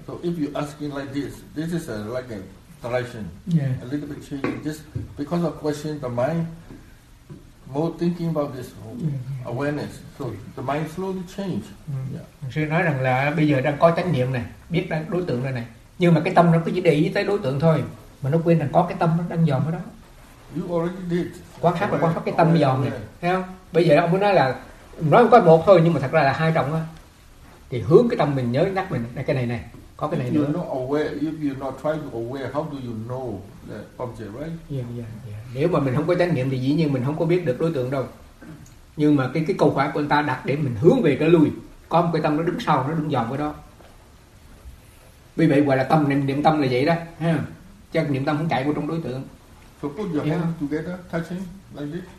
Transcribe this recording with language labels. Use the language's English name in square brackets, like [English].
[English] So if you asking like this, this is like a direction. Yeah. A little bit changing. Just because of question, the mind more thinking about this awareness. So the mind slowly change. Yeah. [Vietnamese] Sư nói rằng là bây giờ đang có chánh niệm này, biết đang đối tượng rồi này. Nhưng mà cái tâm nó cứ chỉ để ý tới đối tượng thôi, mà nó quên rằng có cái tâm nó đang dòm ở đó. [English] You already did. [Vietnamese] Quan sát và quan sát cái tâm dòm này, thấy không? Bây giờ ông muốn nói là nói có một thôi, nhưng mà thật ra là hai trọng á, thì hướng cái tâm mình nhớ nhắc mình là cái này này, có cái [English] if [Vietnamese] này nữa. [English] Not aware, if you're not trying to aware, how do you know that object, right? Yeah, yeah, yeah. [Vietnamese] Nếu mà mình không có chánh niệm thì dĩ nhiên mình không có biết được đối tượng đâu. Nhưng mà cái câu hỏi của anh ta đặt để mình hướng về cái lui, có một cái tâm nó đứng sau, nó đứng dòm cái đó. Vì vậy gọi là tâm niệm tâm là vậy đó. Chứ niệm tâm không chạy vô trong đối tượng. [English] So put your hand together, touching. Like